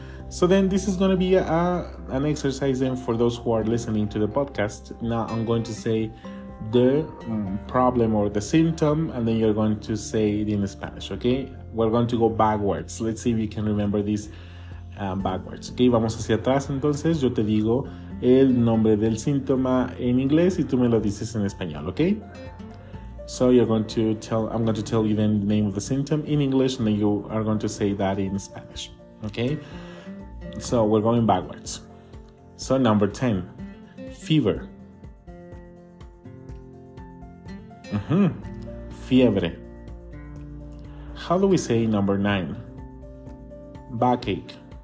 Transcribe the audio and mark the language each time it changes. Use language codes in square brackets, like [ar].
[en] So then this is going to be an exercise then for those who are listening to the podcast. Now I'm going to say the problem or the symptom, and then you're going to say it in Spanish, okay? We're going to go backwards. Let's see if you can remember this backwards. [es] Okay, vamos hacia atrás entonces. Yo te digo el nombre del síntoma en inglés y tú me lo dices en español, okay? [en] So you're going to tell, I'm going to tell you then the name of the symptom in English, and then you are going to say that in Spanish, okay? So we're going backwards. So number 10, fever. Mm-hmm. Fiebre. How do we say number 9? Backache.